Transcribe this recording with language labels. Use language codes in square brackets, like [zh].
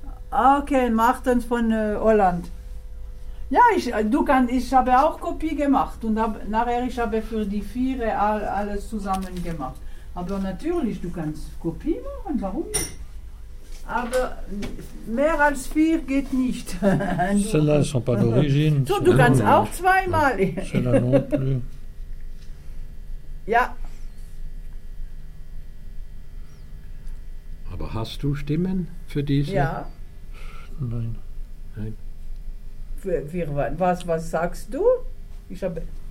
[de] Okay, Martin von Holland. Ja, ich habe auch Kopie gemacht und habe für die vier alles zusammen gemacht. Aber natürlich, du kannst Kopie machen, warum nicht? Aber mehr als vier geht nicht. [fr] Celles-là ne sont pas d'origine. [de] So, du kannst auch zweimal. [fr] Celles-là non plus. [de] Ja. Hast du Stimmen für diese? Ja. Nein. Nein. Was sagst du? Ich habe.